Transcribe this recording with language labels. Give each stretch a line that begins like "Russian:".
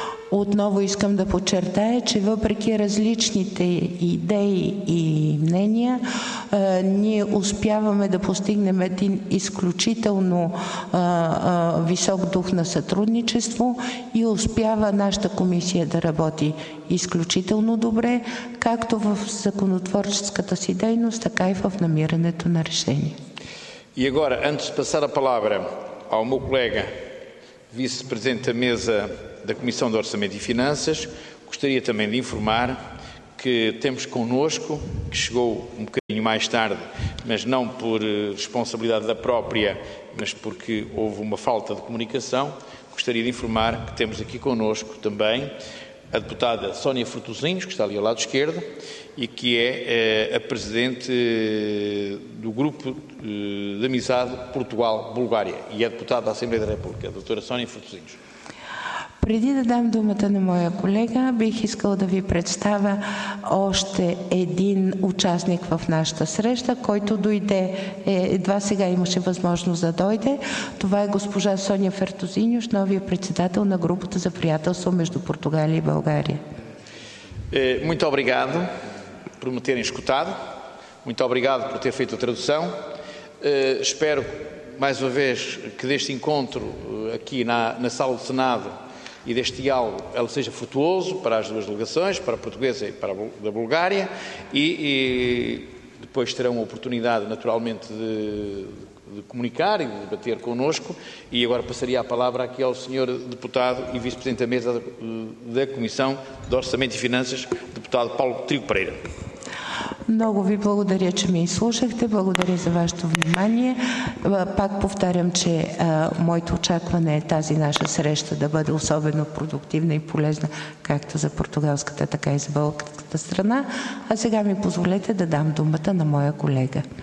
Bulgarian: Отново искам да подчертая, че въпреки различните идеи и мнения, ние успяваме да постигнем един изключително висок дух на сътрудничество и успява нашата комисия да работи изключително добре, както в законотворческата си дейност, така и в намирането на решения.
Portuguese: И agora, antes de passar a palavra ao meu colega, vice-presidente da mesa da Comissão de Orçamento e Finanças, gostaria também de informar que temos connosco, que chegou um bocadinho mais tarde, mas não por responsabilidade da própria, mas porque houve uma falta de comunicação, gostaria de informar que temos aqui connosco também a deputada Sónia Frutuzinhos, que está ali ao lado esquerdo, e que é a presidente do Grupo de Amizade Portugal-Bulgária e é deputada da Assembleia da República, a doutora Sónia Frutuzinhos.
Bulgarian: Преди да дам думата на моя колега, бих искал да ви представя още един участник в нашата среща, който дойде, едва сега имаше възможност да дойде. Това е госпожа Соня Фертозиньош, новия председател на групата за приятелство между Португалия и България.
Portuguese: Muito obrigado por me terem escutado. Muito obrigado por ter feito a tradução. Espero, mais uma vez, que deste encontro aqui na sala do Senado e deste diálogo ele seja frutuoso para as duas delegações, para a portuguesa e para a da Bulgária, e depois terão a oportunidade, naturalmente, de comunicar e de debater connosco. E agora passaria a palavra aqui ao Sr. Deputado e Vice-Presidente da Mesa da Comissão de Orçamento e Finanças, deputado Paulo Trigo Pereira.
Bulgarian: Много ви благодаря, че ме изслушахте. Благодаря за вашето внимание. Пак повтарям, че моето очакване е тази наша среща да бъде особено продуктивна и полезна както за португалската, така и за българската страна. А сега ми позволете да дам думата на моя колега.